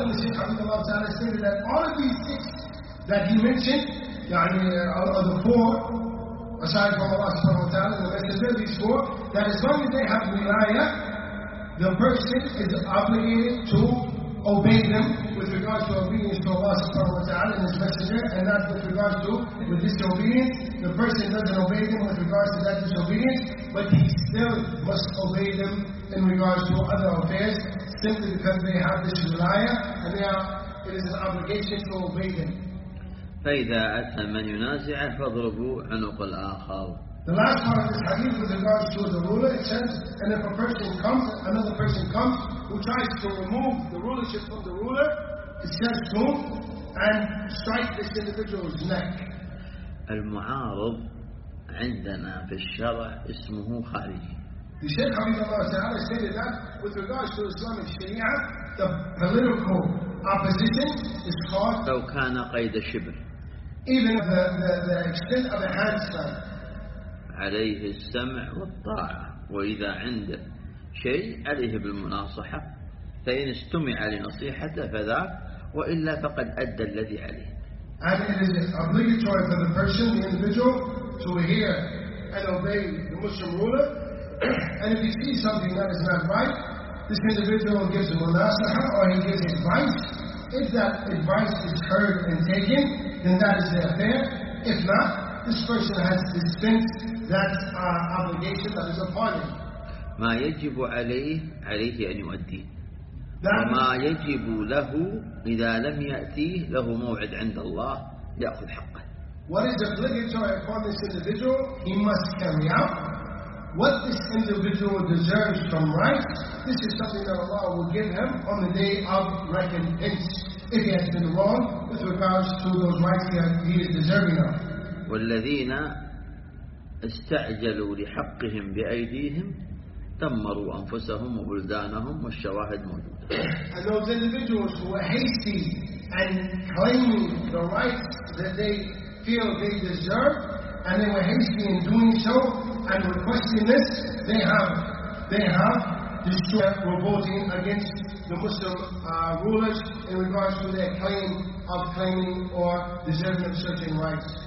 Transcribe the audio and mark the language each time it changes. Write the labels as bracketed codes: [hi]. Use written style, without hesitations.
[en] And the Shaykh Abdullah ta'ala stated that all of these six that he mentioned, yani, of the four, aside from Allah subhanahu wa ta'ala, the rest of them, these four, that as long as they have wilaya, the person is obligated to obey them with regards to obedience to Allah subhanahu wa ta'ala and his messenger, and not with regards to with disobedience. The person doesn't obey them with regards to that disobedience, but he still must obey them in regards to other affairs, simply because they have this wilaya, and they are, it is an obligation to obey them. [ar] فإذا أتى من ينازعه فاضربوا عنق الآخر. [en] The last part of this hadith with regards to the ruler, it says, and if a person comes, another person comes, who tries to remove the rulership from the ruler, it says, move and strike this individual's neck. [ar] المعارض عندنا في الشرع اسمه خارج. [en] The Shaykh Abdullah Ta'ala stated that with regards to Islamic Sharia, the political opposition is called. [ar] أو كان قيد الشبر. [en] Even the extent of a handstand. [ar] عليه السمع والطاعة وإذا عند شيء عليه بالمناصحة فإن استمع لنصيحته فذاك وإلا فقد أدى الذي عليه. [en] And it is obligatory for the person, the individual, to hear and obey the Muslim ruler. And if he sees something that is not right, this individual gives him a nasaha or he gives advice. If that advice is heard and taken, then that is the affair. If not, this person has dispensed that obligation that is upon him. [ar] ما يجب عليه أن يؤدي. وما يجب له إذا لم يأتيه له موعد عند الله يأخذ حقه. [en] What is obligatory upon this individual? He must carry out. What this individual deserves from right, this is something that Allah will give him on the day of recompense if he has been wrong with regards to those rights he is deserving of. [ar] والذين استعجلوا لحقهم بأيديهم دمروا أنفسهم وبلدانهم والشواهد موجودة. [en] And those individuals who are hasty and claiming the rights that they feel they deserve, and they were hasty in doing so and requesting this, they have destroyed, revolting against the Muslim rulers in regards to their claim of claiming or deserving of certain rights.